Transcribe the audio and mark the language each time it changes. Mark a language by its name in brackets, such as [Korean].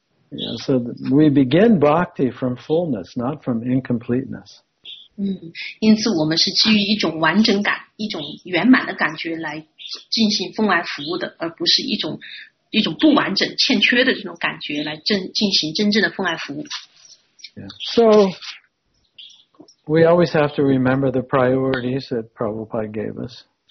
[English] Yeah, so we begin bhakti from fullness, not from incompleteness. [Chinese] 因此我们是基于一种完整感，一种圆满的感觉来进行奉爱服务的，而不是一种不完整、欠缺的这种感觉来进行真正的奉爱服务。 [English] Yeah, so... We always have to remember the priorities that Prabhupada gave us.